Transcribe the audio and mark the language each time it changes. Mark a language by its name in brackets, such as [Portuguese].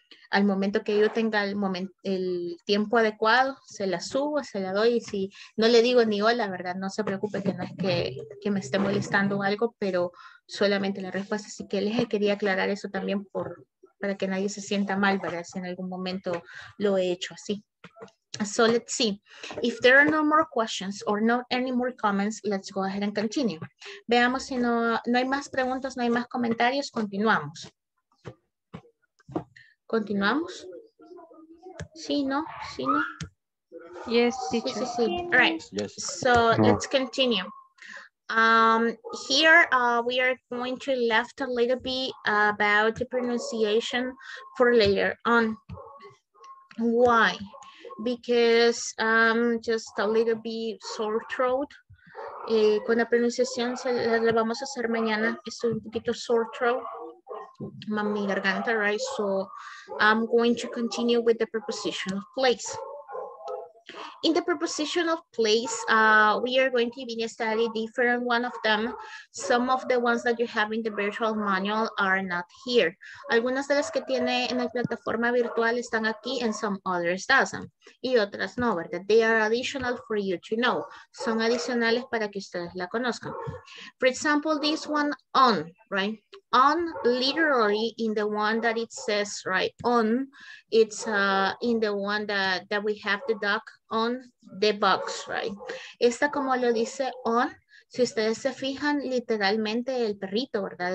[Spanish] Al momento que yo tenga el tiempo adecuado, se la subo, se la doy, y si no le digo ni hola, ¿verdad? No se preocupe, que no es que me esté molestando o algo, pero solamente la respuesta. Así que les quería aclarar eso también para que nadie se sienta mal, ¿verdad? Si en algún momento lo he hecho así. [English] So let's see. If there are no more questions or not any more comments, let's go ahead and continue. [Spanish] Veamos si no hay más preguntas, no hay más comentarios, continuamos. ¿Continuamos? Sí, ¿no? Sí, ¿no? [English] Yes, teacher. Sí. All right. Yes. So, let's continue. We are going to left a little bit about the pronunciation for later on. Why? Because just a little bit sore throat. [Spanish] Con la pronunciación la vamos a hacer mañana. Estoy un poquito [English] sore throat. [Spanish] Mami garganta, right? [English] So I'm going to continue with the preposition of place. In the preposition of place, we are going to be studying different one of them. Some of the ones that you have in the virtual manual are not here. [Spanish] Algunas de las que tiene en la plataforma virtual están aquí [English] and some others doesn't. [Spanish] Y otras no, ¿verdad? [English] They are additional for you to know. [Spanish] Son adicionales para que ustedes la conozcan. [English] For example, this one, on, right? On, literally, in the one that it says, right, on, it's in the one that we have the duck on the box, right? [Spanish] Esta, como lo dice on, si ustedes se fijan, literalmente el perrito, ¿verdad?